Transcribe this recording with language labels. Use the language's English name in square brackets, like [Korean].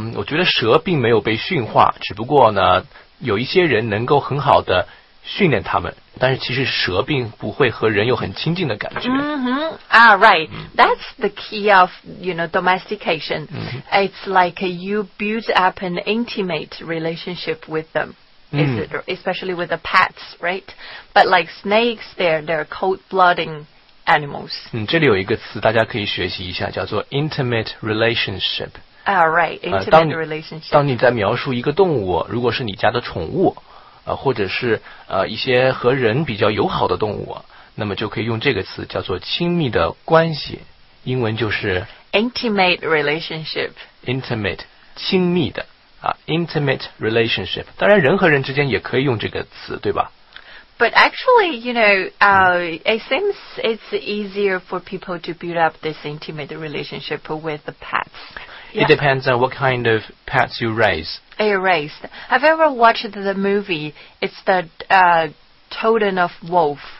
[Chinese] 我觉得蛇并没有被驯化，只不过呢，有一些人能够很好的训练它们。但是其实蛇并不会和人有很亲近的感觉。 [English] Right. That's the key of, you know, domestication. Mm-hmm. It's like you build up an intimate relationship with them. Especially with the pets, right? But like snakes, they're cold-blooded. Animals. [Chinese] 这里有一个词大家可以学习一下叫做 [English] intimate relationship. Intimate relationship. [Chinese] 当你在描述一个动物如果是你家的宠物、或者是、一些和人比较友好的动物那么就可以用这个词叫做亲密的关系英文就是 [English] intimate relationship. Intimate, [Chinese] 亲密的、 [English] intimate relationship. [Chinese] 当然人和人之间也可以用这个词对吧 [English] But actually, you know,、it seems it's easier for people to build up this intimate relationship with the pets.、 Yeah. It depends on what kind of pets you raise. Have you ever watched the movie? It's the Totem of Wolf.